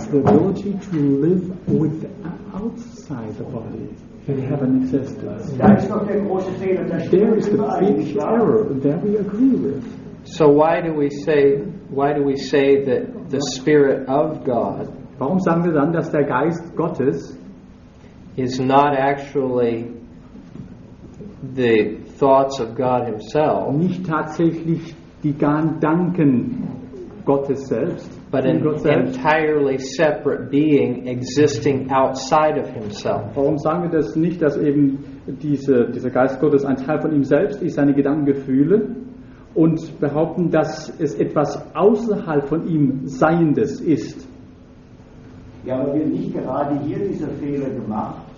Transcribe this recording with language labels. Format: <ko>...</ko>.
<en>The ability to live with outside the body. They have an existence.</en> <de>Da ist doch der große Fehler.</de> <en>There is the big error that we agree with. So why do we say that the Spirit of God,</en> <de>warum sagen wir dann, dass der Geist Gottes</de> <en>is not actually the thoughts of God himself,</en> <de>nicht tatsächlich die Gedanken Gottes selbst,</de> <en>but an entirely separate being existing outside of himself.</en> <de>Warum sagen wir das nicht, dass eben dieser Geist Gottes ein Teil von ihm selbst ist, seine Gedanken, Gefühle, und behaupten, dass es etwas außerhalb von ihm Seiendes ist? Ja, aber wird nicht gerade hier dieser Fehler gemacht?</de>